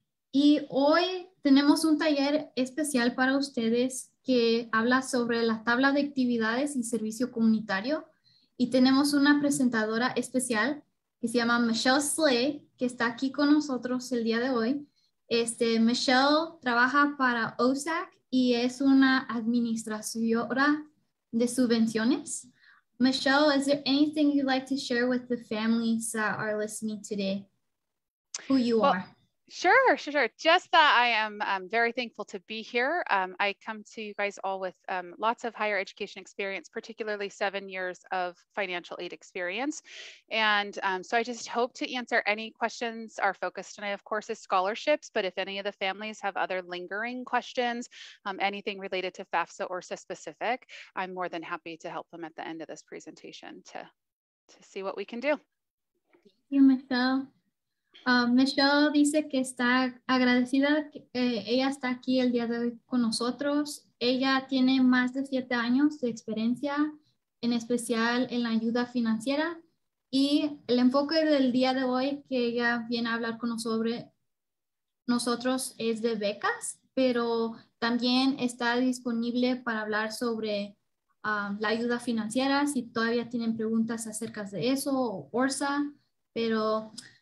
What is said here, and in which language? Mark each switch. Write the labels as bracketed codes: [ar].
[es] Y hoy tenemos un taller especial para ustedes que habla sobre la tabla de actividades y servicio comunitario. Y tenemos una presentadora especial que se llama Michelle Slay, que está aquí con nosotros el día de hoy. Michelle trabaja para OSAC y es una administradora de subvenciones. [en] Michelle, is there anything you'd like to share with the families that are listening today? Who you are? Sure. Just that I am very thankful to be here. I come to you guys all with lots of higher education experience, particularly 7 years of financial aid experience. And so I just hope to answer any questions. Our focus tonight, of course, is scholarships, but if any of the families have other lingering questions, anything related to FAFSA or CIS specific, I'm more than happy to help them at the end of this presentation to see what we can do. Thank you, Michelle. [es] Michelle dice que está agradecida que ella está aquí el día de hoy con nosotros. Ella tiene más de 7 años de experiencia, en especial en la ayuda financiera. Y el enfoque del día de hoy que ella viene a hablar con nosotros es de becas, pero también está disponible para hablar sobre la ayuda financiera, si todavía tienen preguntas acerca de eso o ORSA, pero...